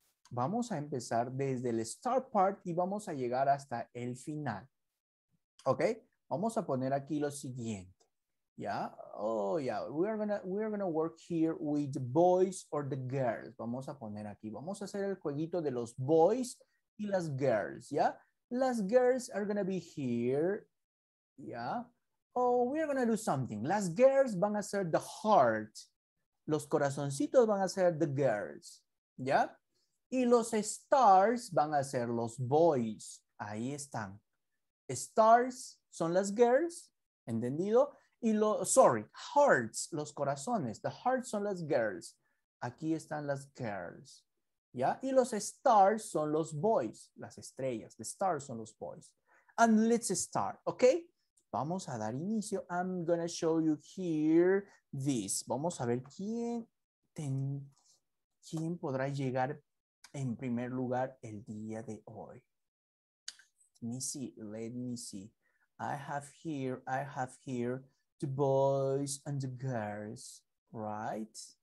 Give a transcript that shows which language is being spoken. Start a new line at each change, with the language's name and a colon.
Spanish: Vamos a empezar desde el
English: start part
Spanish: y vamos a llegar hasta el final. ¿Ok? Vamos a poner aquí lo siguiente. ¿Ya?
English: Oh, yeah. We are gonna work here with the boys or the girls.
Spanish: Vamos a poner aquí. Vamos a hacer el jueguito de los boys y las girls. ¿Ya? Las
English: girls are going to be here. Yeah. Oh, we are going to do something.
Spanish: Las girls van a ser
English: the heart.
Spanish: Los corazoncitos van a ser
English: the girls. Yeah.
Spanish: Y los stars van a ser los boys. Ahí están. Stars son las girls. ¿Entendido? Y hearts, los corazones.
English: The hearts
Spanish: son las girls. Aquí están las girls. ¿Ya? Y los stars son los boys, las estrellas. The stars son los boys.
English: And let's start,
Spanish: ¿ok? Vamos a dar inicio.
English: I'm going to show you here this.
Spanish: Vamos a ver quién podrá llegar en primer lugar el día de hoy.
English: Let me see. I have here the boys and the girls, right?